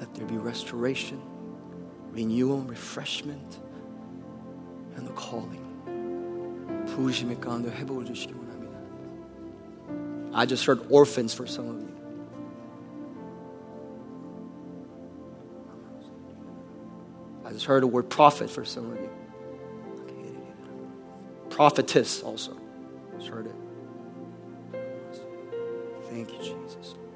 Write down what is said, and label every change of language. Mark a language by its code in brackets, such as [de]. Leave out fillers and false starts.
[en] Let there be restoration, renewal, refreshment, and the calling. [ko] 부르심의 가운데 회복을 주시기 원합니다. [en] I just heard orphans for some of you. I just heard the word prophet for some of you. Prophetess also. Just heard it. Thank you, Jesus.